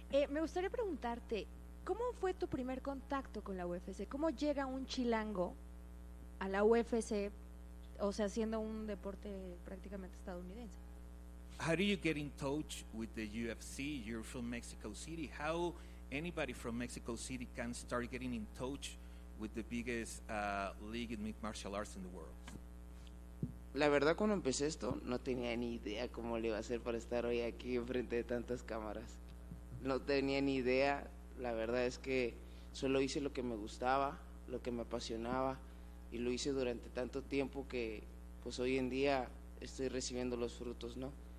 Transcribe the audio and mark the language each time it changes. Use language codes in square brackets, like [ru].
[es] Me gustaría preguntarte, ¿cómo fue tu primer contacto con la UFC? ¿Cómo llega un chilango a la UFC, o sea, siendo un deporte prácticamente estadounidense? [en] How do you get in touch with the UFC? You're from Mexico City. How anybody from Mexico City can start getting in touch with the biggest league in mixed martial arts in the world? [es] La verdad, cuando empecé esto, no tenía ni idea cómo le iba a hacer para estar hoy aquí enfrente de tantas cámaras. No tenía ni idea. La verdad es que solo hice lo que me gustaba, lo que me apasionaba, y lo hice durante tanto tiempo que pues hoy en día estoy recibiendo los frutos, ¿no?